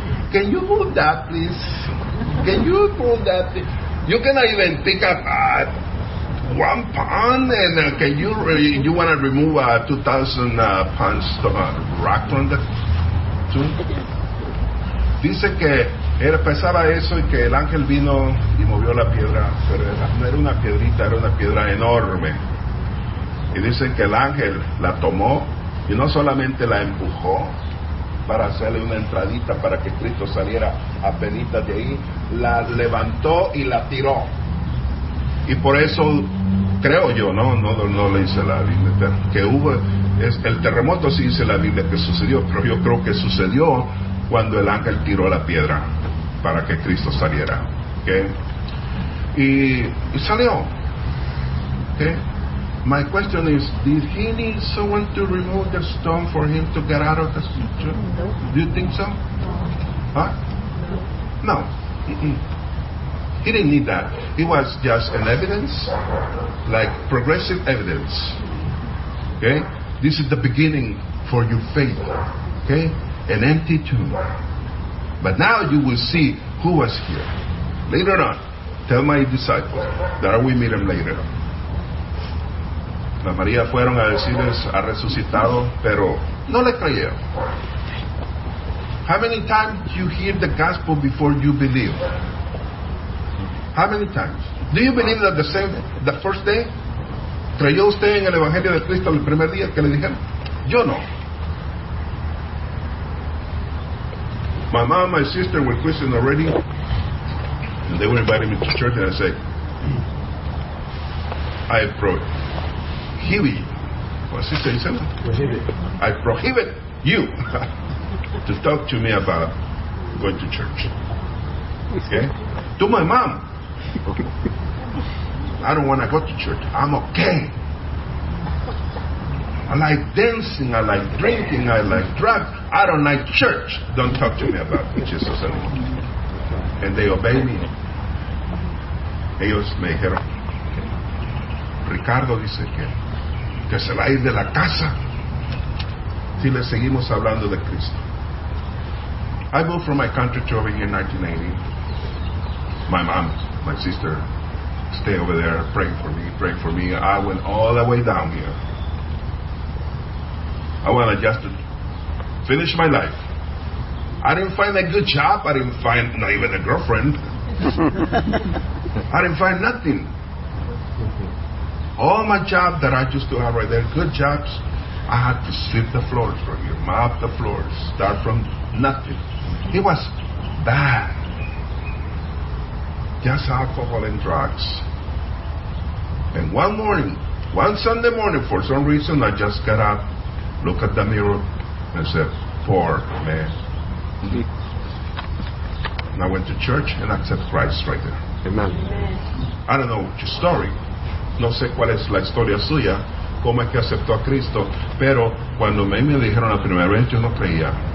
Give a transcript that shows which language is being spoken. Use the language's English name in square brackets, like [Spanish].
[English] Can you move that, please? Can you move that? You cannot even pick up 1 pound, and can you you want to remove a 2,000 pounds rock from the tomb? [Spanish] Dice que era pesaba eso y que el ángel vino y movió la piedra, pero no era una piedrita, era una piedra enorme. Y dice que el ángel la tomó y no solamente la empujó para hacerle una entradita para que Cristo saliera apenitas de ahí, la levantó y la tiró. Y por eso creo yo, no le hice la Biblia, que hubo el terremoto, sí dice la Biblia que sucedió, pero yo creo que sucedió cuando el ángel tiró la piedra para que Cristo saliera, ¿okay? Y salió, ¿okay? [English] My question is, did he need someone to remove the stone for him to get out of the situation? No. Do you think so? No. Huh? No. He didn't need that. It was just an evidence, like progressive evidence. Okay? This is the beginning for your faith. Okay? An empty tomb. But now you will see who was here. Later on, tell my disciples that we meet him later. [Spanish] La María fueron a decirles ha resucitado, pero no le creyeron. [English] How many times you hear the gospel before you believe? How many times? Do you believe that the first day? [Spanish] ¿Creyó usted en el Evangelio de Cristo el primer día que le dijeron? Yo no. [English] My mom and my sister were Christians already, and they were inviting me to church, and I said, I approach. I prohibit you to talk to me about going to church. Okay? To my mom. I don't want to go to church. I'm okay. I like dancing. I like drinking. I like drugs. I don't like church. Don't talk to me about Jesus anymore. And they obey me. [Spanish] Ellos me dijeron. Ricardo dice que se va a ir de la casa si le seguimos hablando de Cristo. [English] I moved from my country to over here in 1980. My mom, my sister, stay over there, pray for me. I went all the way down here. I wanted just to finish my life. I didn't find a good job. I didn't find not even a girlfriend. I didn't find nothing. All my job that I used to have right there, good jobs, I had to sweep the floors from here, mop the floors, start from nothing. It was bad. Just alcohol and drugs. And one morning, one Sunday morning, for some reason, I just got up, looked at the mirror, and said, poor man. And I went to church and accepted Christ right there. Amen. I don't know your story. [Spanish] No sé cuál es la historia suya, cómo es que aceptó a Cristo, pero cuando me dijeron la primera vez, yo no creía.